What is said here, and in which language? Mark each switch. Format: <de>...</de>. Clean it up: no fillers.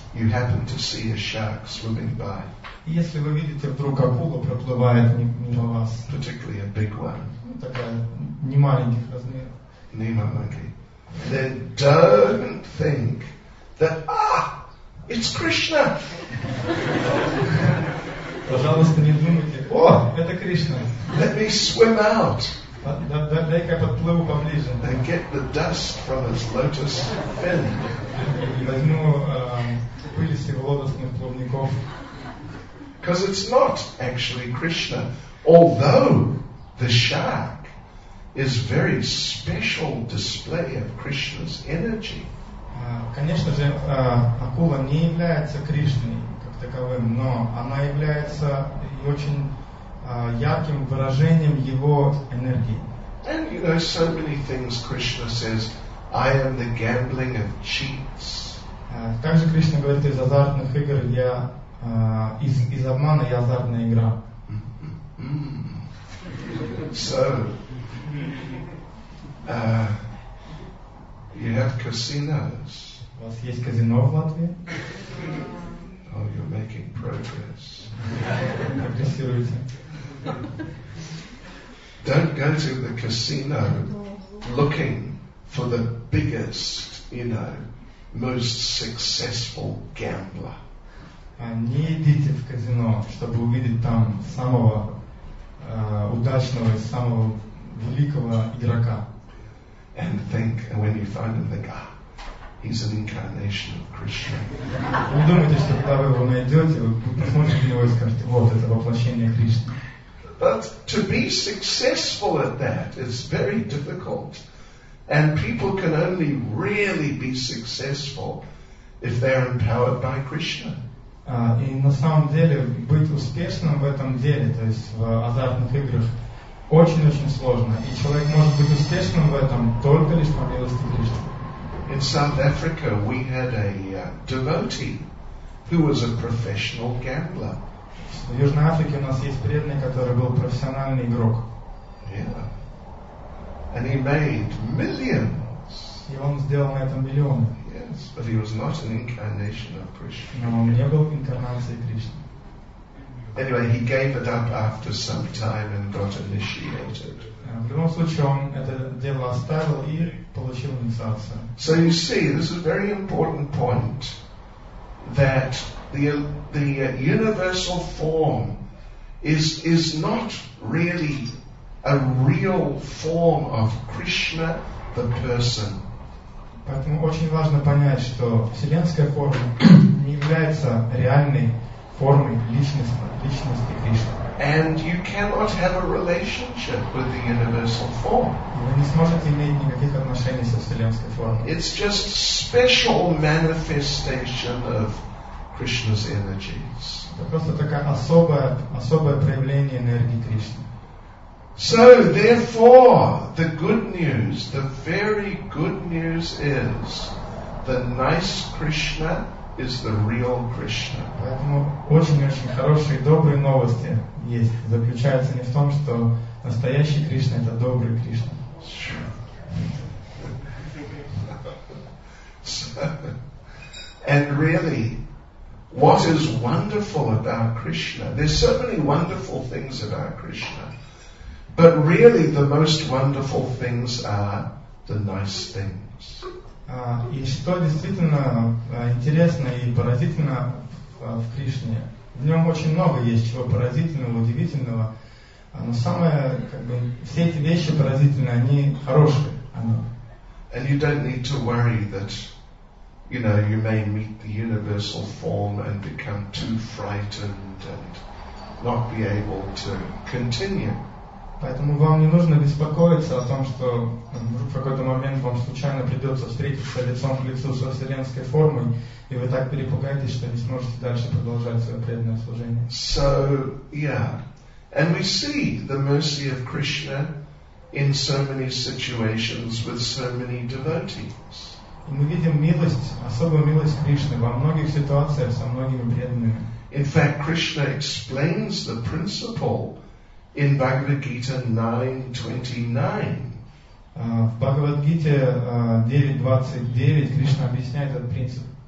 <en>you happen to see a shark swimming by.</en> <ru>Если вы видите вдруг акула проплывает мимо вас,</ru> <en>particularly a big one,</en> <ru>такая не маленьких размеров,</ru> <en>Nemo monkey, then don't think that it's Krishna.</en> <ru>Пожалуйста, не думайте, о, это Кришна.</ru> <en>Let me swim out.</en> <ru>Дай-ка подплыву поближе.</ru> <en>And get the dust from his lotus fin.</en> <ru>Возьму пыль с его лотосных плавников.</ru> <en>Because it's not actually Krishna, although the shark is very special display of Krishna's energy.</en> <ru>Конечно же, акула не является Кришной как таковым, но она является и очень ярким выражением его энергии.</ru> <en>And you know, so many things Krishna says, I am the gambling of cheats.</en> <ru>Также Кришна говорит из азартных игр, я из обмана и азартная игра.</ru> <en>So, you have casinos.</en> <ru>У вас есть казино в Латвии?</ru> <en>Oh, you're making progress.</en> <ru>Прогрессируйте.</ru> <en>Don't go to the casino looking for the biggest, you know, most successful gambler.</en> <ru>Не идите в казино, чтобы увидеть там самого удачного и самого великого игрока.</ru> <en>And think, when you find him, think, he's an incarnation of Krishna.</en> <ru>Вы думаете, что когда вы его найдете, вы посмотрите на него и скажете, вот, это воплощение Кришны.</ru> <en>But to be successful at that is very difficult. And people can only really be successful if they're empowered by Krishna.</en> <ru>И на самом деле быть успешным в этом деле, то есть в азартных играх, очень-очень сложно. И человек может быть успешным в этом только лишь по милости Кришны.</ru> <en>In South Africa we had a devotee who was a professional gambler.</en> <ru>В Южной Африке у нас есть преданный, который был профессиональный игрок.</ru> <en>Yeah. And he made millions.</en> <ru>И он сделал на этом миллионы.</ru> <en>Yes, but he was not an incarnation of Krishna.</en> <ru>Но он не был инкарнацией Кришны.</ru> <en>Anyway, he gave it up after some time and got initiated.</en> <ru>В любом случае, он это дело оставил и получил инициацию.</ru> <en>So you see, this is a very important point that the universal form is not really a real form of Krishna, the person.</en> <ru>Поэтому очень важно понять, что вселенская форма не является реальной формой личности Кришны.</ru> <en>And you cannot have a relationship with the universal form.</en> <ru>Вы не сможете иметь никаких отношений со вселенской формой.</ru> <en>It's just special manifestation of Krishna's energies.</en> <ru>Это просто такая особое проявление энергии Кришны.</ru> <en>So, therefore, the good news, the very good news is the nice Krishna is the real Krishna.</en> <ru>Поэтому очень-очень хорошие и добрые новости есть. Заключаются не в том, что настоящий Кришна – это добрый Кришна.</ru> <en>Sure. And really, what is wonderful about Krishna? There's so many wonderful things about Krishna. But really, the most wonderful things are the nice things.</en> <ru>И что действительно интересно и поразительно в Кришне? В нем очень много есть чего поразительного, удивительного. Но самое, как бы, все эти вещи поразительные, они хорошие.</ru> <en>And you don't need to worry that, you know, you may meet the universal form and become too frightened and not be able to continue.</en> <ru>Поэтому вам не нужно беспокоиться о том, что вдруг в какой-то момент вам случайно придется встретиться лицом к лицу со вселенской формой, и вы так перепугаетесь, что не сможете дальше продолжать свое преданное служение.</ru> <en>So, yeah. And we see the mercy of Krishna in so many situations with so many devotees.</en> <ru>И мы видим милость, особую милость Кришны во многих ситуациях со многими преданными.</ru> <en>In fact, Krishna explains the principle in Bhagavad Gita 9:29.</en> <ru>В Бхагавад-гите 9:29 Кришна объясняет этот принцип.</ru>